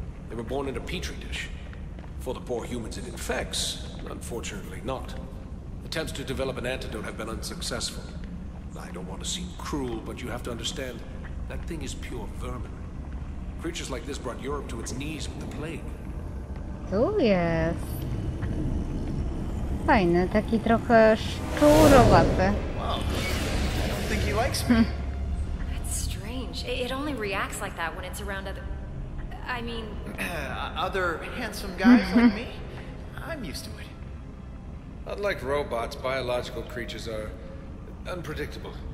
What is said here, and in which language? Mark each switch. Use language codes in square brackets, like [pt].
[en] They were born in a petri dish. For the poor humans it infects, unfortunately not. Attempts to develop an antidote have been unsuccessful. I don't want to seem cruel, but you have to understand, that thing is pure vermin. Creatures like this brought Europe to its knees with the plague. Oh yes. [pl] Fajny, taki trochę szczurowaty. [en] Well, I don't think he likes me. That's strange. It only reacts like that when it's around other... I mean... other handsome guys like me? I'm used to it. Unlike robots, biological creatures are unpredictable.